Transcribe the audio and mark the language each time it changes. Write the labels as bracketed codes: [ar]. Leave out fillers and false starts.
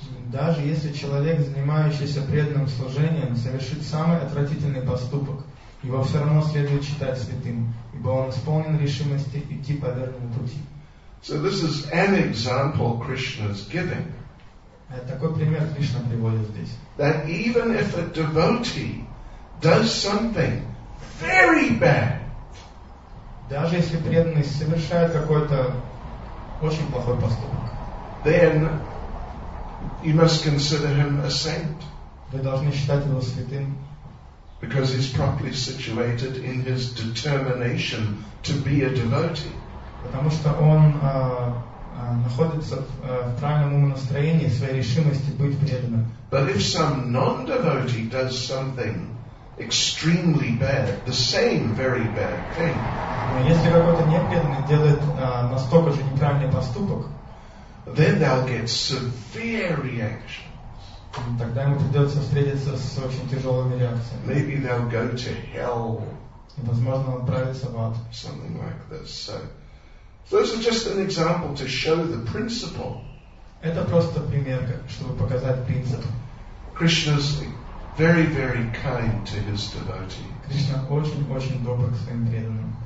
[ru] Даже если человек, занимающийся преданным служением, совершит самый отвратительный поступок, его все равно следует считать святым, ибо он исполнен решимости идти по верному пути. [en] So this is an example Krishna's giving. [ru] Такой пример Кришна приводит здесь. [en] That even if a devotee does something very bad, [ru] даже если преданный совершает какой-то очень плохой поступок, [en] then you must consider him a saint. [ru] Вы должны считать его святым. [en] Because he's properly situated in his determination to be a devotee. [ru] Потому что он находится в правильном настроении, в своей решимости быть преданным. [en] But if some non-devotee does something extremely bad, the same very bad thing, [ru] но если какой-то непреданный делает настолько же неправильный поступок, [en] then they'll get severe reactions. [ru] Тогда ему придется встретиться с очень тяжелыми реакциями. [en] Maybe they'll go to hell. [ru] Возможно, он отправится в ад. [en] Something like this. So those are just an example to show the principle. [ru] Это просто пример, чтобы показать принцип. [en] Krishna's very, very kind to his devotee. [ru] Кришна очень-очень добр к своим преданным.